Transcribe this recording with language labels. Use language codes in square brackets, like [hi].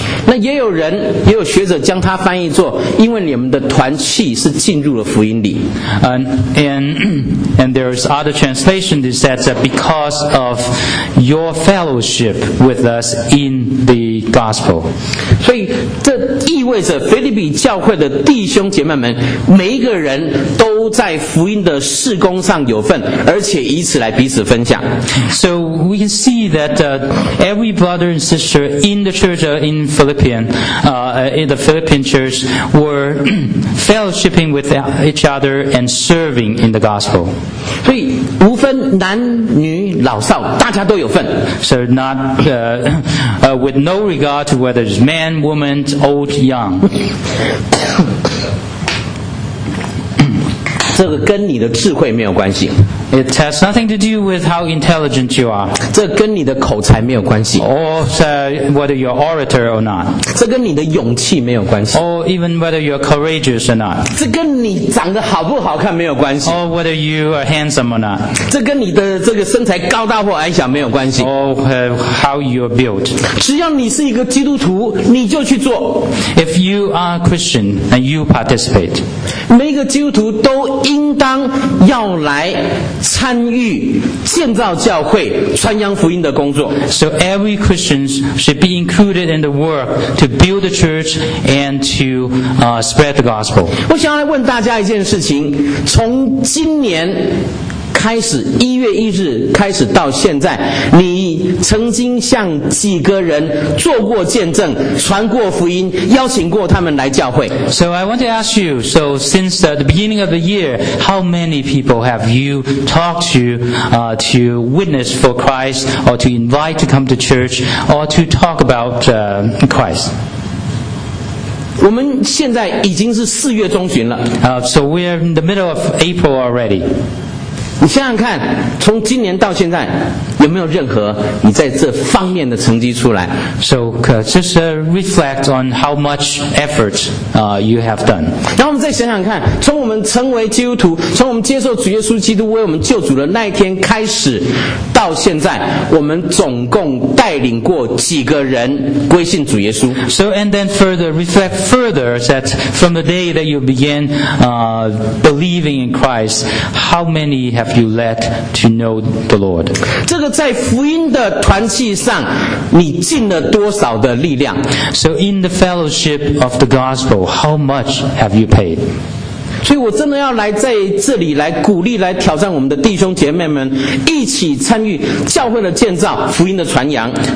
[zh] 那也有人，也有学者将它翻译作因为你们的团契是进入了福音里。 [en] And there's other translation that says because of your fellowship with us in the gospel. [zh] 所以这意味着腓立比教会的弟兄姐妹们每一个人都在福音的事工上有份，而且以此来彼此分享。 [en] So we can see that every brother and sister in the church in Philippians, in the Philippian church were fellowshipping with each other and serving in the gospel. [zh] 所以无分男女老少，大家都有份。 [en] So not with no regard to whether it's man, woman, old, young. [zh] 这个跟你的智慧没有关系。 [en] It has nothing to do with how intelligent you are. [zh] 这跟你的口才没有关系。 [en] Or whether you're orator or not. [zh] 这跟你的勇气没有关系。 [en] Or even whether you're courageous or not. [zh] 这跟你长得好不好看没有关系。 [en] Or whether you are handsome or not. [zh] 这跟你的这个身材高大或矮小没有关系。 [en] Or how you're built. [zh] 只要你是一个基督徒，你就去做。 [en] If you are a Christian and you participate. [zh] 每一个基督徒都应当要来参与建造教会、传扬福音的工作。 [en] So every Christian should be included in the work to build the church and to spread the gospel. [zh] 我想要来问大家一件事情：从今年开始，一月一日开始到现在，你曾经向几个人做过见证、传过福音、邀请过他们来教会？ [en] So I want to ask you, so since the beginning of the year, how many people have you talked to witness for Christ, or to invite to come to church, or to talk about Christ? [zh] 我们现在已经是四月中旬了。 [en] So we are in the middle of April already. [zh] 你想想看，从今年到现在，有没有任何你在这方面的成绩出来 [en] ？So just reflect on how much effort you have done. [zh] 然后我们再想想看，从我们成为基督徒，从我们接受主耶稣基督为我们救主的那一天开始，到现在，我们总共带领过几个人归信主耶稣 [en] ？So and then further reflect further that from the day that you began believing in Christ, how manyHave you led to know the Lord? [zh] 这个在福音的团契上，你尽了多少的力量 [en] ？So in the fellowship of the gospel, how much have you paid? [zh] 所以我真的要来在这里来鼓励、来挑战我们的弟兄姐妹们，一起参与教会的建造、福音的传扬。